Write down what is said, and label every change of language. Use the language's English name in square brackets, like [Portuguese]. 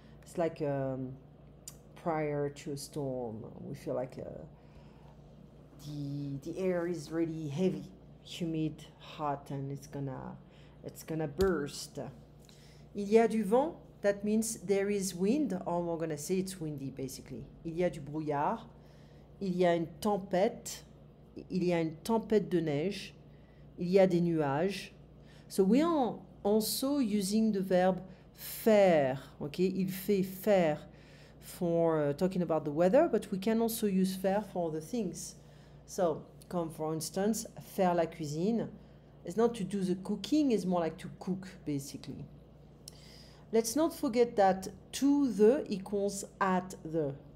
[English] It's like prior to a storm, we feel like the air is really heavy, humid, hot, and it's gonna burst. [French] Il y a du vent, [English] that means there is wind, or we're gonna say it's windy basically. [French] Il y a du brouillard, il y a une tempête, il y a une tempête de neige, il y a des nuages. [English] So we are also using the verb faire, okay? [French] Il fait [English] faire for talking about the weather, but we can also use faire for other things. So, comme for instance, [French] faire la cuisine. [English] It's not to do the cooking, it's more like to cook, basically. Let's not forget that to the equals at the.